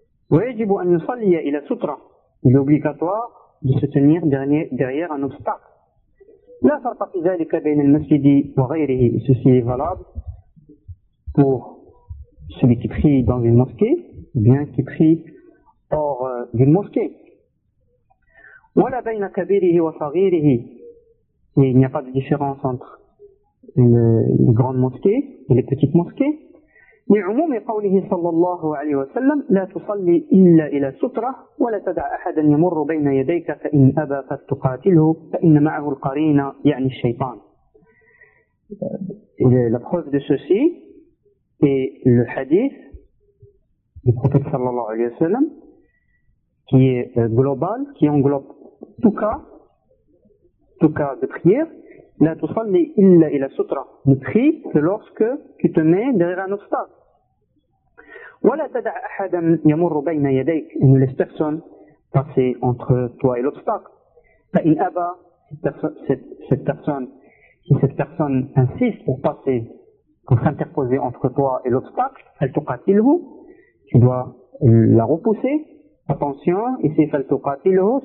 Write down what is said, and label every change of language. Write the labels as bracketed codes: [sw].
[ar] ويجب أن يصلي إلى سترة [fr] l'obligatoire de se tenir derrière un obstacle [ar] لا فرق في ذلك بين المسجد وغيره [fr] ceci est valable pour celui qui prie dans une mosquée ou bien qui prie hors d'une mosquée [ar] ولا بين كبيره وصغيره [fr] et il n'y a pas de différence entre les grandes mosquées et les petites mosquées. [ar] لعموم قوله صلى الله عليه وسلم لا تصلي إلا إلى سترة ولا تدع أحدا يمر بين يديك فإن أبى فتقاتله فإن معه القرين يعني الشيطان. [fr] La preuve de ceci est le hadith du prophète [ar] صلى الله عليه وسلم [fr] qui est global, qui englobe tout cas de prière. [ar] لا تصلي إلا إلى سترة. [fr] Ne prie que lorsque tu te mets derrière un obstacle. [ar] ولا تدع أحدا يمر بين يديك. [fr] Et ne laisse personne passer entre toi et l'obstacle. [ar] فإن أبى [fr] cette personne insiste pour passer, pour s'interposer entre toi et l'obstacle, [ar] فلتقاتله. [fr] Tu dois la repousser. Attention, ici [ar] فلتقاتله.